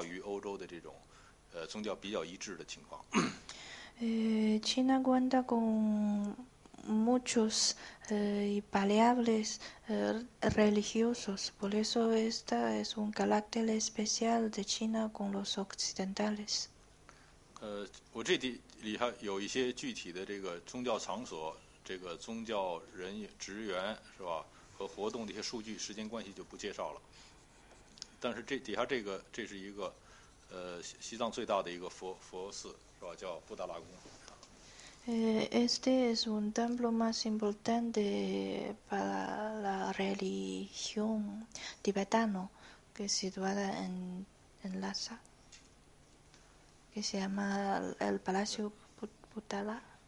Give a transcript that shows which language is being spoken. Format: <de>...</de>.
<zh>就中国少数民族的宗教呢，非常的多元性和多样化。这个，这种它既和汉族不太一样，那么跟欧洲这些民族，当然差别就更大。就这一点差别要大于欧洲的这种，宗教比较一致的情况。</zh> <es>China cuenta con muchos y variables religiosos, por eso esta es un carácter especial de China con los occidentales.</es> <zh>我这里还有一些具体的这个宗教场所，这个宗教人员职员是吧，和活动的一些数据，时间关系就不介绍了。但是这底下这个，这是一个西藏最大的一个佛寺是吧，叫布达拉宫。</zh> <es>Este es un templo más importante para la religión tibetano que es situada en Lhasa, que se llama el Palacio Buddhala.</es>